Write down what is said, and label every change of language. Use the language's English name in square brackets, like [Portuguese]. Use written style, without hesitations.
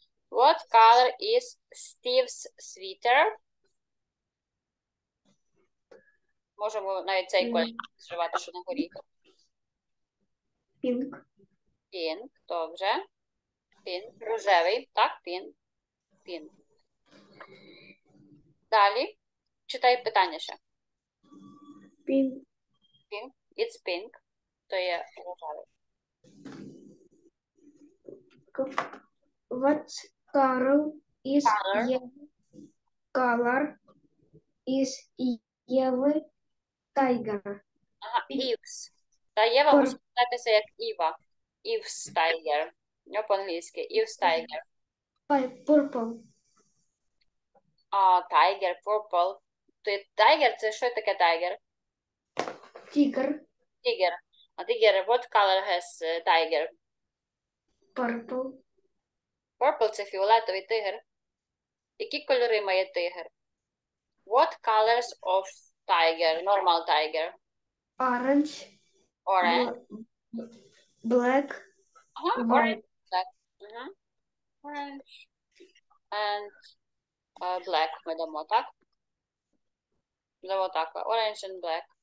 [English] What color is Steve's sweater? [Ukrainian] Можемо навіть цей колір зшивати, що на горі. [English] Pink. Pink, добре. [Ukrainian] Pink, рожевий, так, pink. [English] Pink. [Ukrainian] Далі, читай питання ще. [English] Pink. Pink, it's pink, [Ukrainian] то є рожевий. [English] What color is color. Yellow? Color is yellow tiger. Ivs. [Ukrainian] Та Єва мусить читатися як Іва. [English] Ivs tiger. [Ukrainian] По-англійськи. [English] Ivs tiger. Purple. Tiger, purple. [Ukrainian] Ти тайгер, це що таке тайгер? Тігр. Тігр. [English] А тігр, what color has тайгер? Purple. [Ukrainian] Purple це фіолетовий тигр. Які кольори має тигр? [English] What colors of tiger, normal tiger? Orange. Orange. Black. Orange. Orange. And black [Ukrainian] ми дамо, так? Давай так, [English] orange and black.